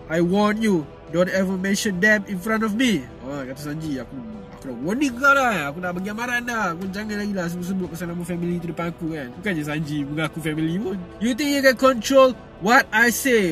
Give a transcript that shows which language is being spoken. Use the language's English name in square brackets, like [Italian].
[English] I warn you, don't ever mention them in front of me. [Malay] Kata Sanji, aku dah warning kau lah, aku dah bagi amaran dah. Aku jangan lagi lah sebut-sebut pasal nama family tu depan aku kan. Bukan je Sanji mengaku family pun. [English] You think you can control what I say?